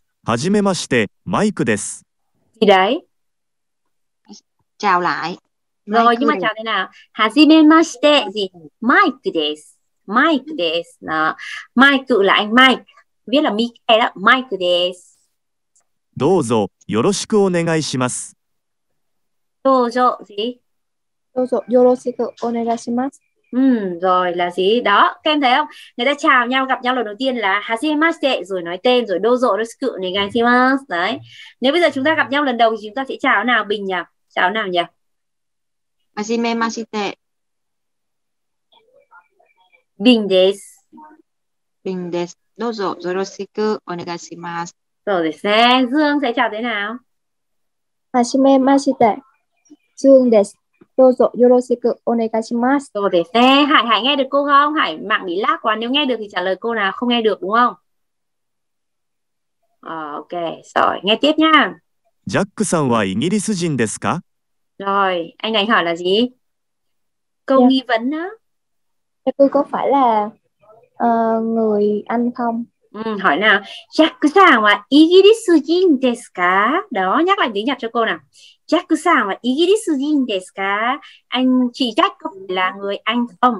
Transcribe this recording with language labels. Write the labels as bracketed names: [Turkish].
[Japanese] はじめまして、マイクです。 [Vietnamese] Đi đây. Chào lại. Rồi, nhưng mà chào thế nào? [Japanese] Hajimemashite [Vietnamese] gì? [Japanese] Mike desu. Mike desu. [Vietnamese] Đó. Mike là anh Mike. Viết là Mike đó. Mike desu. [Japanese] Dōzo, yoroshiku onegai shimasu. Dōzo [Vietnamese] gì? [Japanese] Dōzo, yoroshiku onegai shimasu. [Vietnamese] Ừ, rồi là gì? Đó, các em thấy không? Người ta chào nhau, gặp nhau lần đầu tiên là Hajimemashite, rồi nói tên, rồi [Japanese] Dōzo, yoroshiku onegai shimasu. [Vietnamese] Đấy. Nếu bây giờ chúng ta gặp nhau lần đầu thì chúng ta sẽ chào nào Bình nhỉ? Chào nào nhỉ? [Japanese] はじめまして。ビンです。ビンです。どうぞよろしくお願いします。そうですね。ズーン、せちゃうでな。はじめまして。ズーンです。どうぞよろしくお願いします。そうですね。はい、はい、 [Vietnamese] nghe được cô không? [Japanese] はい、マッキーラックは、 [Vietnamese] nếu nghe được thì trả lời cô nào? không nghe được, đúng không? OK, rồi, nghe tiếp nha。 [Japanese] ジャックさんはイギリス人ですか? [Vietnamese] Rồi, anh ấy hỏi là gì? Câu nghi vấn đó. Tôi có phải là người Anh không? Ừ, hỏi nào. [Japanese] Jack-san wa Igirisu jin desu ka? [Vietnamese] Đó, nhắc lại tiếng Nhật cho cô nào. [Japanese] Jack-san wa Igirisu jin desu ka? [Vietnamese] Anh chị Jack có phải là người Anh không?